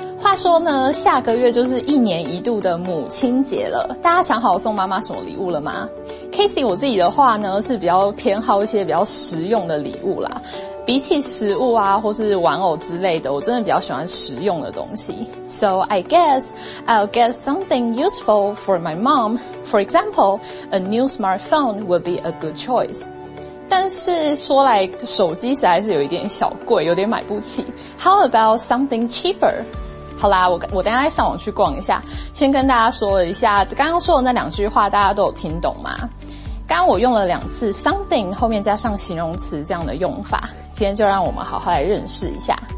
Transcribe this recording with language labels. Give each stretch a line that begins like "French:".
Chinese: 话说呢，下个月就是一年一度的母亲节了，大家想好送妈妈什么礼物了吗 ？Casey， 我自己的话呢是比较偏好一些比较实用的礼物啦。比起食物啊，或是玩偶之类的，我真的比较喜欢实用的东西。
English: So I guess I'll get something useful for my mom. For example, a new smartphone would be a good choice.
Chinese: 但是说来手机实在是有一点小贵，有点买不起。
English: How about something cheaper?
Chinese: 好啦，我等一下再上网去逛一下。先跟大家说了一下，刚刚说的那两句话大家都有听懂吗？刚刚我用了两次 something 后面加上形容词这样的用法，今天就让我们好好来认识一下。